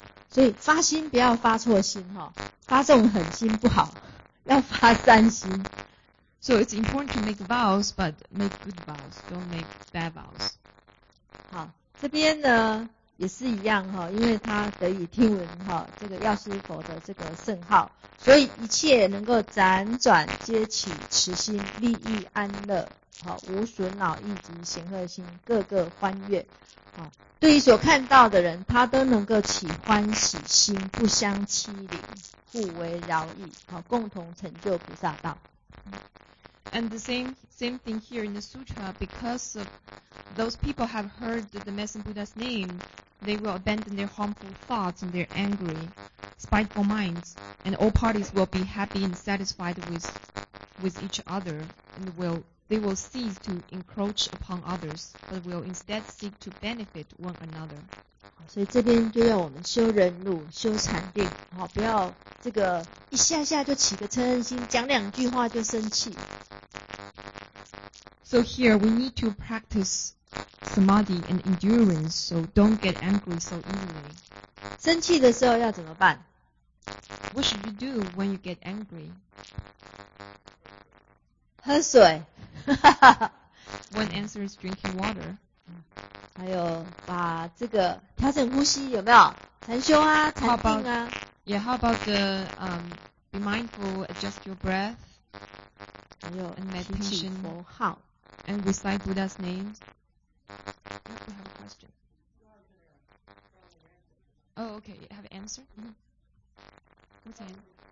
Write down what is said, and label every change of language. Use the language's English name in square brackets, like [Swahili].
[Chinese] 所以发心不要发错心哈，发这种狠心不好，要发善心。 [English] So it's important to make vows, but make good vows, don't make bad vows. [Chinese] 好，这边呢也是一样哈，因为他得以听闻哈这个药师佛的这个圣号，所以一切能够辗转皆起慈心，利益安乐，好无损恼意及显赫心，个个欢悦。好，对于所看到的人，他都能够起欢喜心，不相欺凌，互为饶益，好共同成就菩萨道。 [English] And the same thing here in the sutra, because of those people have heard the Medicine Buddha's name, they will abandon their harmful thoughts and their angry, spiteful minds, and all parties will be happy and satisfied with each other, and they will cease to encroach upon others, but will instead seek to benefit one another. [Chinese] 所以这边就要我们修忍辱，修禅定，好，不要这个一下下就起个嗔恨心，讲两句话就生气。 [English] So here we need to practice samadhi and endurance, so don't get angry so easily. [Chinese] 生气的时候要怎么办？ [English] What should you do when you get angry? [Chinese] 喝水。 [English] One answer is drinking water. [Chinese] 还有把这个调整呼吸有没有？禅修啊，禅定啊。 [English] How about the be mindful, adjust your breath. [Chinese] 还有 [English] and meditation. [Chinese] 提起佛号。 [English] And recite Buddha's name. Yep, we have a question. Oh, okay. You have an answer? Mm-hmm. What's your name?